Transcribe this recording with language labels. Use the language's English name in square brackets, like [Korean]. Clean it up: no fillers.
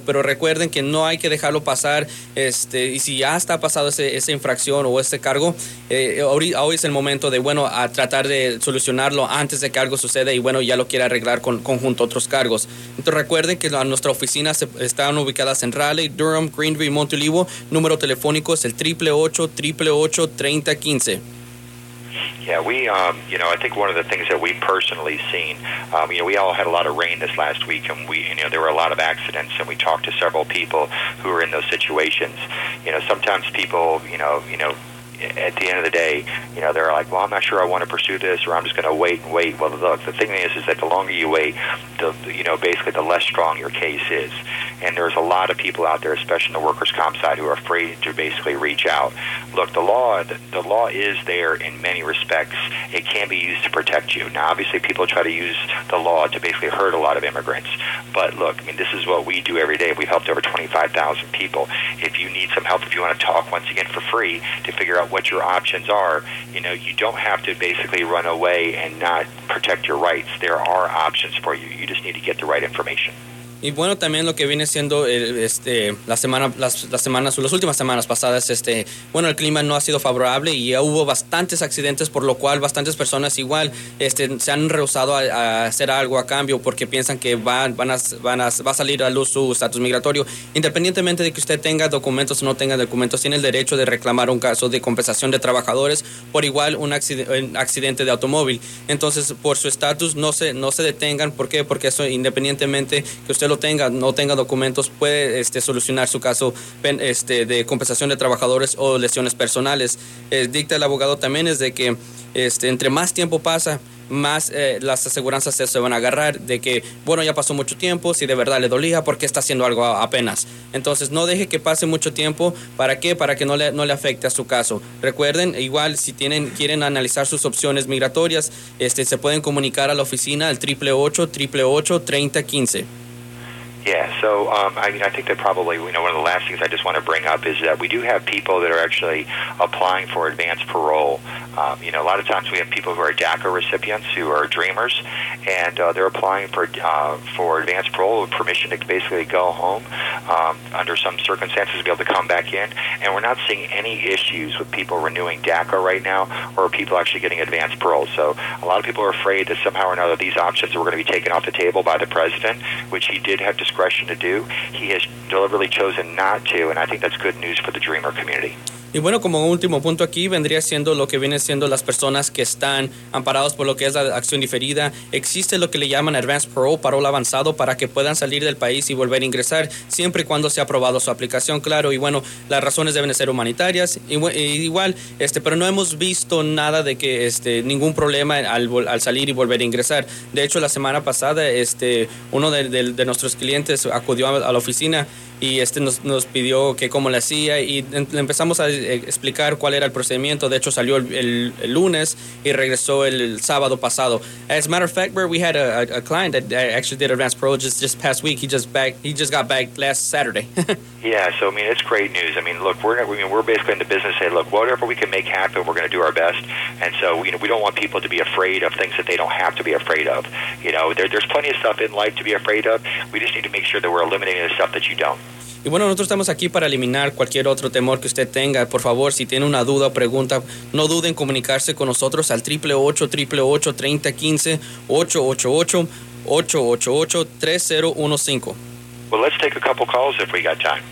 [Spanish] Pero recuerden que no hay que dejarlo pasar, y si ya está pasado esa infracción o ese cargo, hoy es el momento de, bueno, a tratar de solucionarlo antes de que algo suceda y, bueno, ya lo quiera arreglar con junto a otros cargos. Entonces recuerden que nuestra oficina están ubicadas en Raleigh, Durham, Greenville, Montelivo. Número telefónico es el 888-888-3015. [English] Yeah, we, you know, I think one of the things that we've personally seen, you know, we all had a lot of rain this last week, and we, you know, there were a lot of accidents, and we talked to several people who were in those situations. You know, sometimes people, you know, at the end of the day, you know, they're like, well, I'm not sure I want to pursue this, or I'm just going to wait and wait. Well, look, the thing is that the longer you wait, basically the less strong your case is. And there's a lot of people out there, especially in the workers' comp side, who are afraid to basically reach out. Look, the law is there in many respects. It can be used to protect you. Now, obviously, people try to use the law to basically hurt a lot of immigrants. But look, I mean, this is what we do every day. We've helped over 25,000 people. If you need some help, if you want to talk once again for free to figure out what your options are, you know, you don't have to basically run away and not protect your rights. There are options for you. You just need to get the right information. [Spanish] Y bueno, también lo que viene siendo las últimas semanas pasadas, bueno, el clima no ha sido favorable y ya hubo bastantes accidentes, por lo cual bastantes personas igual se han rehusado a hacer algo a cambio porque piensan que va a salir a luz su estatus migratorio. Independientemente de que usted tenga documentos o no tenga documentos, tiene el derecho de reclamar un caso de compensación de trabajadores por igual un accidente de automóvil. Entonces, por su estatus, no se detengan. ¿Por qué? Porque eso, independientemente que usted lo tenga, no tenga documentos, puede solucionar su caso de compensación de trabajadores o lesiones personales. Dicta el abogado también es de que entre más tiempo pasa, más las aseguranzas se van a agarrar de que, bueno, ya pasó mucho tiempo, si de verdad le dolía, ¿por qué está haciendo algo apenas? Entonces, no deje que pase mucho tiempo. ¿Para qué? Para que no le afecte a su caso. Recuerden, igual, si quieren analizar sus opciones migratorias, se pueden comunicar a la oficina al 888-888-3015. [English] Yeah, so I think that probably, you know, one of the last things I just want to bring up is that we do have people that are actually applying for advanced parole. You know, a lot of times we have people who are DACA recipients who are Dreamers, and they're applying for advanced parole, permission to basically go home under some circumstances to be able to come back in. And we're not seeing any issues with people renewing DACA right now or people actually getting advanced parole. So a lot of people are afraid that somehow or another these options were going to be taken off the table by the president, which he did have discretion to do. He has deliberately chosen not to, and I think that's good news for the Dreamer community. [Spanish] Y bueno, como último punto aquí, vendría siendo lo que viene siendo las personas que están amparados por lo que es la acción diferida. Existe lo que le llaman Advanced Parole, parol avanzado, para que puedan salir del país y volver a ingresar, siempre y cuando sea aprobado su aplicación, claro. Y bueno, las razones deben de ser humanitarias. Igual, pero no hemos visto nada de que ningún problema al salir y volver a ingresar. De hecho, la semana pasada, uno de nuestros clientes acudió a la oficina y nos pidió que cómo le hacía, y le empezamos a explicar cuál era el procedimiento. De hecho, salió el lunes y regresó el sábado pasado. [English] As a matter of fact, Bert, we had a client that actually did advanced parole just past week. He just got back last Saturday. Yeah, so I mean, it's great news. I mean, look, we're basically in the business saying, look, whatever we can make happen, we're going to do our best. And so, you know, we don't want people to be afraid of things that they don't have to be afraid of. You know, there's plenty of stuff in life to be afraid of. We just need to make sure that we're eliminating the stuff that you don't. [Spanish] Y bueno, nosotros estamos aquí para eliminar cualquier otro temor que usted tenga. Por favor, si tiene una duda o pregunta, no dude en comunicarse con nosotros al 888-888-3015-888-888-3015. [English] Well, let's take a couple calls if we got time.